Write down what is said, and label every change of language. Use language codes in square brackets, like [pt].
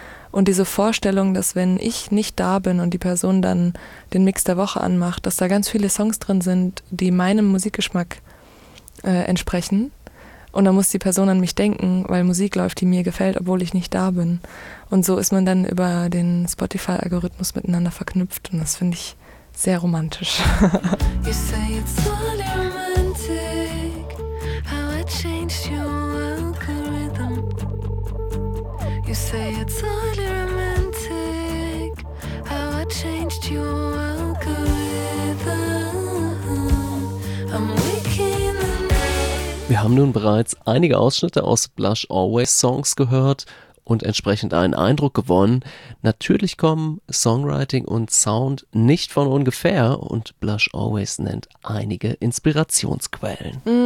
[de] Und diese Vorstellung, dass wenn ich nicht da bin und die Person dann den Mix der Woche anmacht, dass da ganz viele Songs drin sind, die meinem Musikgeschmack entsprechen. Und dann muss die Person an mich denken, weil Musik läuft, die mir gefällt, obwohl ich nicht da bin. Und so ist man dann über den Spotify-Algorithmus miteinander verknüpft. Und das finde ich sehr romantisch. [en] You say it's all romantic, how I changed you. You say it's oddly romantic, how I changed your algorithm. I'm weak in the night. [de] Wir haben nun bereits einige Ausschnitte aus Blush Always Songs gehört und entsprechend einen Eindruck gewonnen. Natürlich kommen Songwriting und Sound nicht von ungefähr und Blush Always nennt einige Inspirationsquellen.